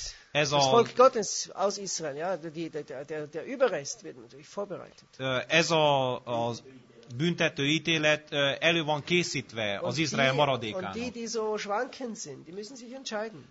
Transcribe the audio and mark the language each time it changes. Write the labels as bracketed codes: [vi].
[hu] Ez a [de] volk Gottes aus Israel, ja, der Überrest wird natürlich vorbereitet. [hu] Ez a büntető ítélet elő van készítve az Izrael maradékának. [de] Die so schwanken sind, die müssen sich entscheiden.